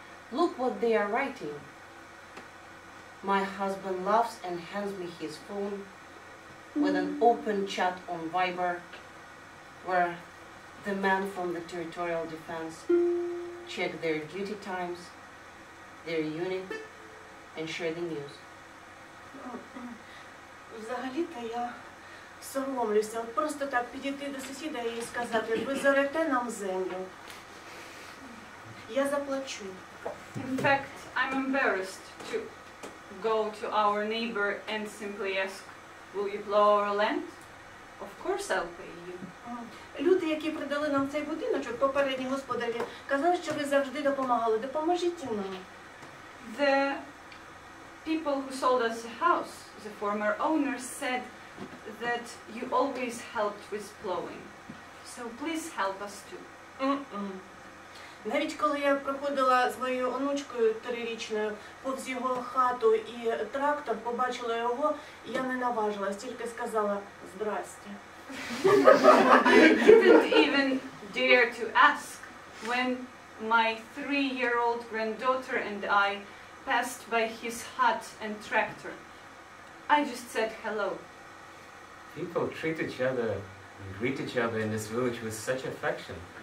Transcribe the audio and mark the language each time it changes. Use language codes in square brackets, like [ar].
[en] Look what they are writing. My husband laughs and hands me his phone with an open chat on Viber where the men from the territorial defense check their duty times, their unit, and share the news. [uk] Взагалі-то я соромлюся. От просто так підійти до сусіда і сказати, ви зорете нам землю. Я заплачу. [en] In fact, I'm embarrassed to go to our neighbor and simply ask, will you blow our land? Of course I'll pay you. [uk] Люди, які придали нам цей будиночок, попередні господарі, казали, що ви завжди допомагали. Допоможіть нам. [en] The people who sold us the house, the former owners, said that you always helped with blowing. So please help us too. [uk] Навіть коли я проходила з моєю онучкою трирічною повз його хату і трактор, побачила його, я не наважилась, тільки сказала «Здрасте». [en] I didn't even dare to ask when my 3-year-old granddaughter and I passed by his hut and tractor. I just said hello. People treat each other and greet each other in this village with such affection.